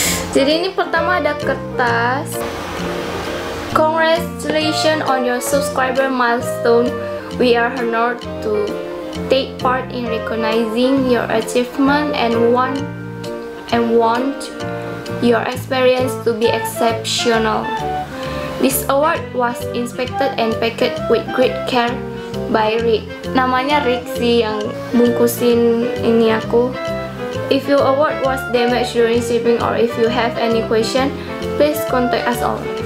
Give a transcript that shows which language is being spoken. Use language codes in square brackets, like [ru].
[id] Jadi ini pertama ada kertas. [en] Congratulations on your subscriber milestone. We are honored to take part in recognizing your achievement and want your experience to be exceptional. This award was inspected and packed with great care by Rick. [id] Namanya Rick sih yang bungkusin ini aku. [en] If your award was damaged during shipping or if you have any question, please contact us all.